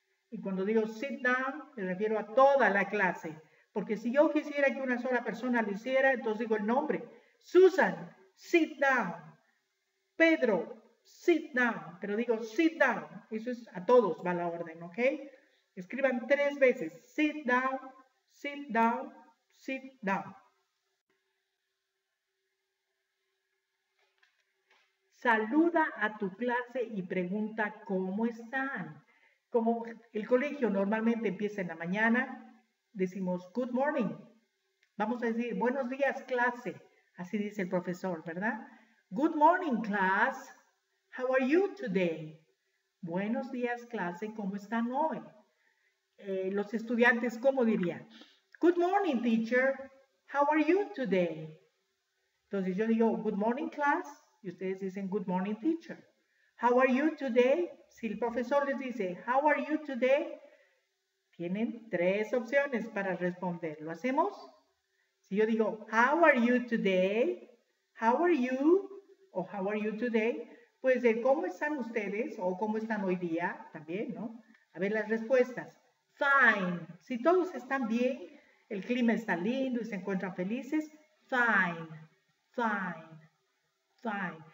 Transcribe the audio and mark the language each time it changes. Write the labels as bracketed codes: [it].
[es] Y cuando digo [en] sit down, [es] me refiero a toda la clase. Porque si yo quisiera que una sola persona lo hiciera, entonces digo el nombre. [en] Susan, sit down. Pedro, sit down. [es] Pero digo [en] sit down. [es] Eso es a todos va la orden, ¿ok? Escriban tres veces. [en] Sit down, sit down, sit down. [es] Saluda a tu clase y pregunta cómo están. Como el colegio normalmente empieza en la mañana, decimos [en] good morning. [es] Vamos a decir buenos días, clase. Así dice el profesor, ¿verdad? [en] Good morning, class. How are you today? [es] Buenos días, clase. ¿Cómo están hoy? Los estudiantes, ¿cómo dirían? [en] Good morning, teacher. How are you today? [es] Entonces yo digo [en] good morning, class. [es] Y ustedes dicen [en] good morning, teacher. How are you today? [es] Si el profesor les dice, [en] how are you today? [es] Tienen tres opciones para responder. ¿Lo hacemos? Si yo digo, [en] how are you today? How are you? O how are you today? [es] Puede ser, ¿cómo están ustedes? O ¿cómo están hoy día? También, ¿no? A ver las respuestas. Fine. Si todos están bien, el clima está lindo y se encuentran felices. Fine. Fine. Fine.